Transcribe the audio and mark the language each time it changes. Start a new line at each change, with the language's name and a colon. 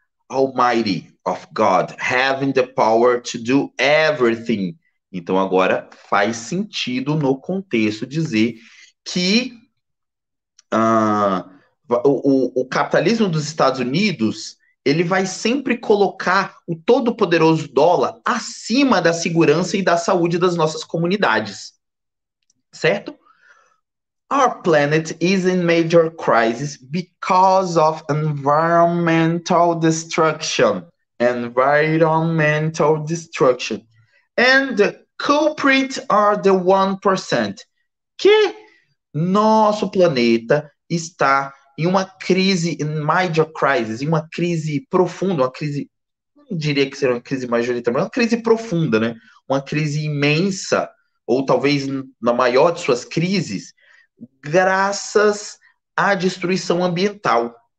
English: Almighty of God, having the power to do everything.
Portuguese: Então agora faz sentido no contexto dizer que o capitalismo dos Estados Unidos, ele vai sempre colocar o todo-poderoso dólar acima da segurança e da saúde das nossas comunidades. Certo?
English: Our planet is in major crisis because of environmental destruction. Environmental destruction. And the culprits are the 1%.
Portuguese: Que nosso planeta está em uma crise,
English: in major crisis,
Portuguese: em uma crise profunda, uma crise, não diria que seria uma crise majoritária, mas uma crise profunda, né? Uma crise imensa, ou talvez na maior de suas crises, graças à destruição ambiental.